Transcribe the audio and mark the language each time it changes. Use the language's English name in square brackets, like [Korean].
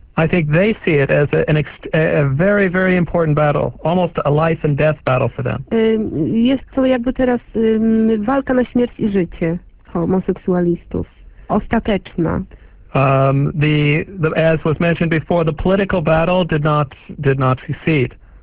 [English] I think they see it as a very, very important battle, almost a life and death battle for them. [Polish] Jest to jakby teraz walka na śmierć i życie homoseksualistów. Ostateczna. [English] The as was mentioned before, the political battle did not succeed.